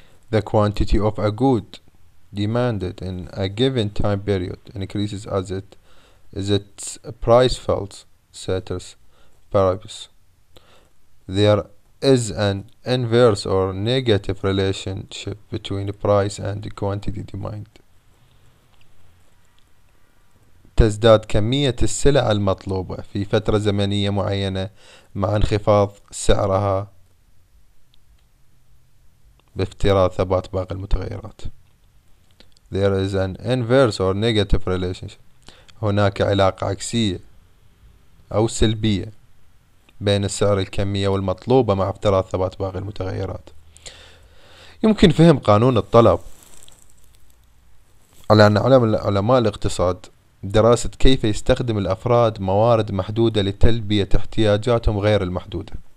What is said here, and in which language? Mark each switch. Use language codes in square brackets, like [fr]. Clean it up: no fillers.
[en] The quantity of a good demanded in a given time period increases as its price falls, ceteris paribus. There is an inverse or negative relationship between the price and the quantity demand. [ar] تزداد كمية السلع المطلوبة في فترة زمنية معينة مع انخفاض سعرها بافتراض ثبات باقي المتغيرات. [en] There is an inverse or negative relationship. [ar] هناك علاقة عكسية أو سلبية بين السعر الكمية والمطلوبة مع افتراض ثبات باقي المتغيرات. يمكن فهم قانون الطلب على أن علماء الاقتصاد دراسة كيف يستخدم الأفراد موارد محدودة لتلبية احتياجاتهم غير المحدودة.